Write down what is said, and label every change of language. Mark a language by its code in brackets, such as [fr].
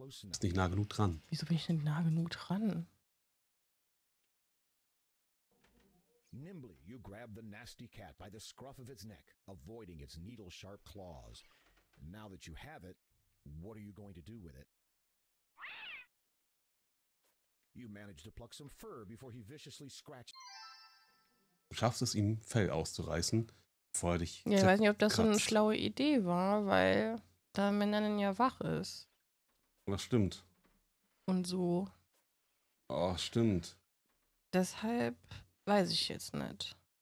[de] Ist nicht nah genug dran. Wieso bin ich denn nah genug dran? [en] Nimbly, you grab the nasty cat by the scruff of its neck, avoiding its needle-sharp claws. And now that you have it, what are you going to do with it? You manage to pluck some fur before he viciously scratches. [de] Du schaffst es, ihm Fell auszureißen, bevor er dich zerkratzt. Ja, ich weiß nicht, ob das so eine schlaue Idee war, weil da Männern ja wach ist. Das stimmt. Und so. Oh, stimmt. Deshalb weiß ich jetzt nicht.